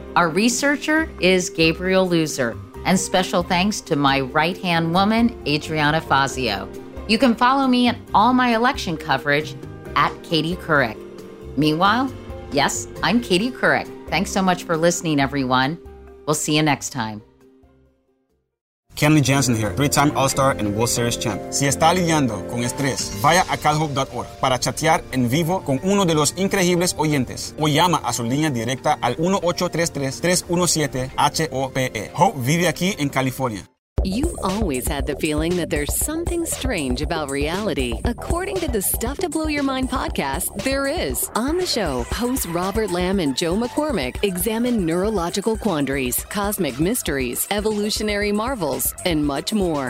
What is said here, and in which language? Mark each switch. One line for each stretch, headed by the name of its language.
English: Our researcher is Gabriel Luzer. And special thanks to my right-hand woman, Adriana Fazio. You can follow me and all my election coverage at Katie Couric. Meanwhile, yes, I'm Katie Couric. Thanks so much for listening, everyone. We'll see you next time. Kenley Jansen here, 3-time All-Star and World Series champ.
Spanish: Si está lidiando con estrés, vaya a calhope.org para chatear en vivo con uno de los increíbles oyentes o llama a su línea directa al 1-833-317-HOPE. Hope vive aquí en California.
English: You've always had the feeling that there's something strange about reality. According to the Stuff to Blow Your Mind podcast, there is. On the show, hosts Robert Lamb and Joe McCormick examine neurological quandaries, cosmic mysteries, evolutionary marvels, and much more.